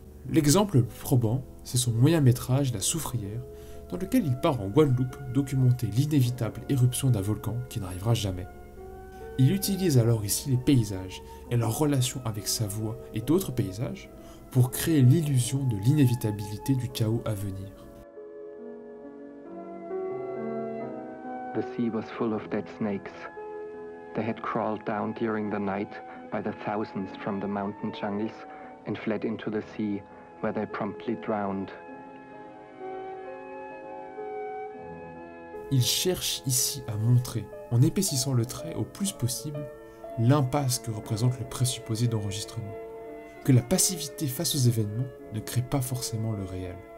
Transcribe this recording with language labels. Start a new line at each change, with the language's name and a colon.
French: L'exemple le plus probant, c'est son moyen-métrage La Soufrière, dans lequel il part en Guadeloupe documenter l'inévitable éruption d'un volcan qui n'arrivera jamais. Il utilise alors ici les paysages et leur relation avec sa voix et d'autres paysages pour créer l'illusion de l'inévitabilité du chaos à venir.
English: The sea was full of dead snakes. They had crawled down during the night by the thousands from the mountain jungles and fled into the sea where they promptly drowned.
French: Il cherche ici à montrer, en épaississant le trait au plus possible, l'impasse que représente le présupposé d'enregistrement, que la passivité face aux événements ne crée pas forcément le réel.